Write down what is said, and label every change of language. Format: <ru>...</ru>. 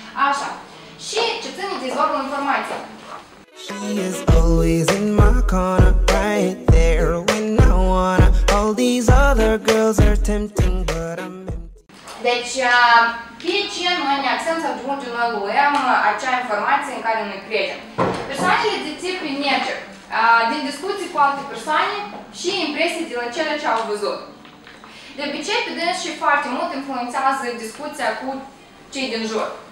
<ro>Așa. Și ce ține de zborul informației?</ro> <en>She is always in my corner, right there when I wanna. All these other girls are tempting, but I'm empty.</en> <ro>Deci, pe ce noi ne axăm sau de unde noi luăm acea informație în care noi credem? Persoanele de tip nature, din discuții cu alte persoane și impresii de la cele ce au văzut. De obicei, pe dânsi și foarte mult influențează discuția cu cei din jur.</ro>